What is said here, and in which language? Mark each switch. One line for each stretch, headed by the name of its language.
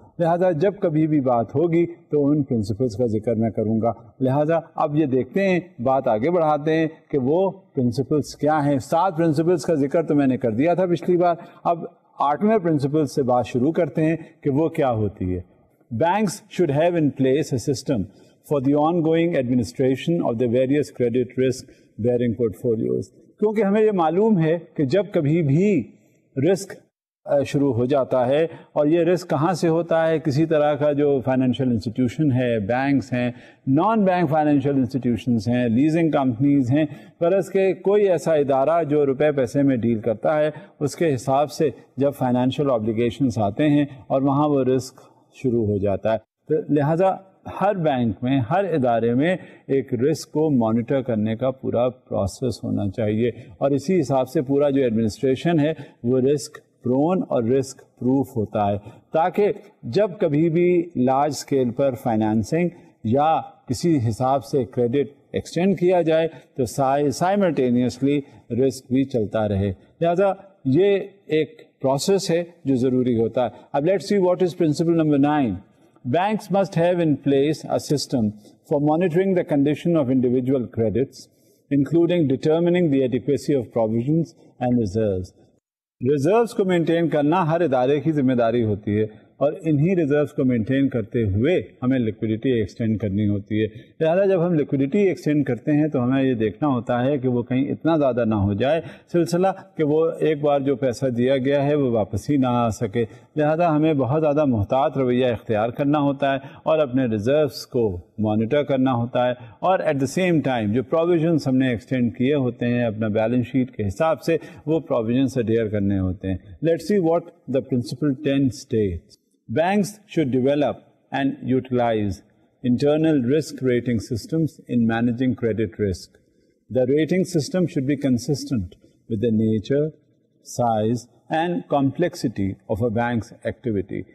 Urdu: لہٰذا جب کبھی بھی بات ہوگی تو ان پرنسپلس کا ذکر میں کروں گا. لہٰذا اب یہ دیکھتے ہیں, بات آگے بڑھاتے ہیں کہ وہ پرنسپلس کیا ہیں. 7 پرنسپلس کا ذکر تو میں نے کر دیا تھا پچھلی بار, اب 8ویں پرنسپل سے بات شروع کرتے ہیں کہ وہ کیا ہوتی ہے.
English: Banks should have in place a system for the ongoing administration of the various credit risk bearing portfolios.
Urdu: کیونکہ ہمیں یہ معلوم ہے کہ جب کبھی بھی رسک شروع ہو جاتا ہے, اور یہ رسک کہاں سے ہوتا ہے, کسی طرح کا جو فائنینشیل انسٹیٹیوشن ہے, بینکس ہیں, نان بینک فائنینشیل انسٹیٹیوشنس ہیں, لیزنگ کمپنیز ہیں, پرس کے کوئی ایسا ادارہ جو روپے پیسے میں ڈیل کرتا ہے, اس کے حساب سے جب فائنینشیل آبلیگیشنس آتے ہیں اور وہاں وہ رسک شروع ہو جاتا ہے. تو لہٰذا ہر بینک میں, ہر ادارے میں ایک رسک کو مانیٹر کرنے کا پورا پروسیس ہونا چاہیے, اور اسی حساب سے پورا جو ایڈمنسٹریشن ہے وہ رسک پرون اور رسک پروف ہوتا ہے, تاکہ جب کبھی بھی لارج اسکیل پر فائنانسنگ یا کسی حساب سے کریڈٹ ایکسٹینڈ کیا جائے تو سائملٹینیسلی رسک بھی چلتا رہے. لہٰذا یہ ایک پروسیس ہے جو ضروری ہوتا ہے.
English: اب let's see what is principle number 9. Banks must have in place a system for monitoring the condition of individual credits including determining the adequacy of provisions and reserves.
Urdu: Reserves کو مینٹین کرنا ہر ادارے کی ذمہ داری ہوتی ہے, اور انہی ریزروس کو مینٹین کرتے ہوئے ہمیں لکویڈیٹی ایکسٹینڈ کرنی ہوتی ہے. لہٰذا جب ہم لکویڈیٹی ایکسٹینڈ کرتے ہیں تو ہمیں یہ دیکھنا ہوتا ہے کہ وہ کہیں اتنا زیادہ نہ ہو جائے سلسلہ کہ وہ ایک بار جو پیسہ دیا گیا ہے وہ واپسی نہ آ سکے. لہٰذا ہمیں بہت زیادہ محتاط رویہ اختیار کرنا ہوتا ہے, اور اپنے ریزروس کو مانیٹر کرنا ہوتا ہے, اور
English: at the same time
Urdu: جو پروویژنس ہم نے ایکسٹینڈ کیے ہوتے ہیں اپنا بیلنس شیٹ کے حساب سے وہ پروویژنس اڈیئر کرنے ہوتے ہیں.
English: Let's see what the principle 10 states. Banks should develop and utilize internal risk rating systems in managing credit risk. The rating system should be consistent with the nature, size and complexity of a bank's activity.